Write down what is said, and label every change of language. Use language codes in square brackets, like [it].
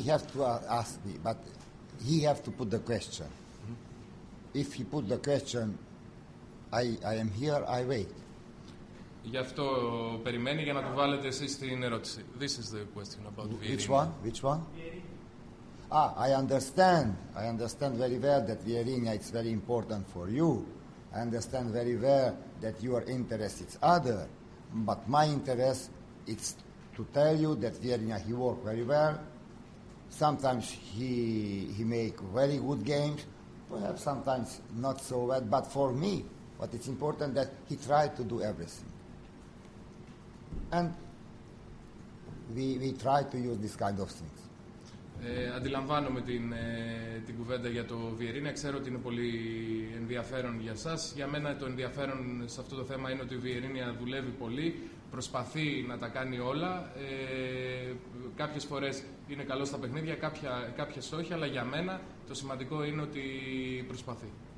[en] He has to ask me, but he has to put the question. If he put the question, I am here, I wait. [el] Γι' αυτό περιμένει για να του βάλετε εσείς την ερώτηση. [en] This is the question about Vieirinha. Which one? Ah, I understand very well that Vieirinha is very important for you. I understand very well that your interest is other, but my interest is to tell you that Vieirinha, he worked very well. Sometimes he make very good games, perhaps sometimes not so well, but for me, what is important that he tried to do everything. And we try to use this kind of things. [el] Αντιλαμβάνομαι την κουβέντα για το Βιερίνια. Ξέρω ότι είναι πολύ ενδιαφέρον για σας. Για μένα το ενδιαφέρον σε αυτό το θέμα είναι ότι ο Βιερίνια δουλεύει πολύ, προσπαθεί να τα κάνει όλα. Κάποιες φορές είναι καλό στα παιχνίδια, κάποιες όχι, αλλά για μένα το σημαντικό είναι ότι προσπαθεί.